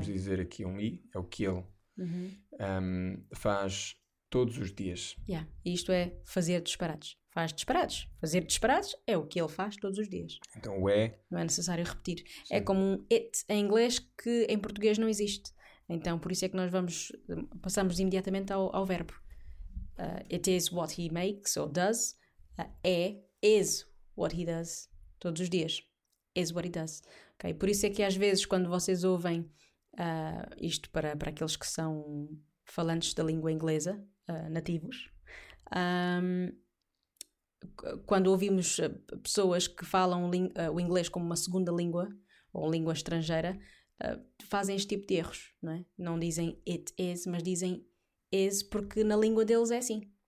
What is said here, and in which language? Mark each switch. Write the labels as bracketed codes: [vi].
[pt] dizer aqui um i, é o que ele, faz todos os dias. [en] Yeah. [pt] Isto é fazer disparates. Faz disparates. Fazer disparates é o que ele faz todos os dias. Então, o é. Não é necessário repetir. É Sim. como um it em inglês que em português não existe. Então, por isso é que nós passamos imediatamente ao verbo. [en] It is what he makes or does. Is what he does [pt] todos os dias. [en] Is what he does. Okay? [pt] Por isso é que às vezes quando vocês ouvem isto para aqueles que são falantes da língua inglesa, nativos, quando ouvimos pessoas que falam o inglês como uma segunda língua ou língua estrangeira, fazem este tipo de erros, não é? Não dizem it is, mas dizem is porque na língua deles é assim.